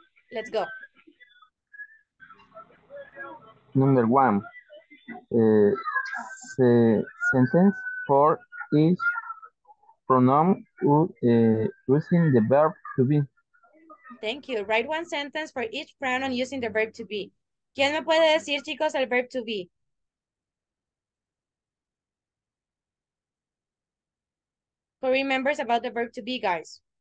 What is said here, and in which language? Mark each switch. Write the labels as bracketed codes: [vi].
[en] Let's go. Number one. Sentence for each pronoun using the verb to be. Thank you. Write one sentence for each pronoun using the verb to be. [es] ¿Quién me puede decir, chicos, el verb to be? [en] Who remembers about the verb to be, guys?